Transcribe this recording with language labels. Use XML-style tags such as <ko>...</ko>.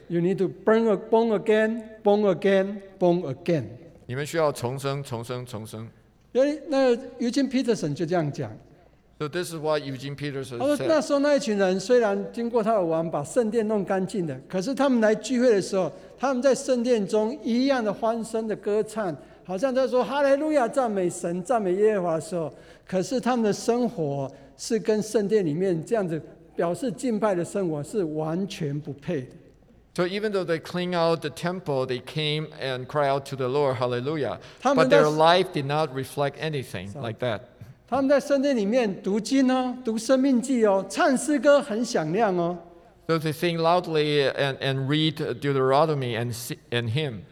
<en>You need to born again, born again, born again.</en> <zh>你们需要重生，重生，重生。那 Eugene Peterson 就这样讲。</zh> <en>So this is what Eugene Peterson said.</en> <zh>那时候那一群人虽然经过他的王把圣殿弄干净的，可是他们来聚会的时候，他们在圣殿中一样的欢声的歌唱，好像在说哈利路亚赞美神赞美耶和华的时候，可是他们的生活是跟圣殿里面这样子表示敬拜的生活是完全不配的。</zh> <en>So even though they clean out the temple, they came and cry out to the Lord, hallelujah.</en> <zh>他们</zh> <en>but their life did not reflect anything like that.</en> <zh>他们在圣殿里面读经哦，读生命记哦，唱诗歌很响亮哦。</zh> <en>So they sing loudly and read Deuteronomy and hymn.</en>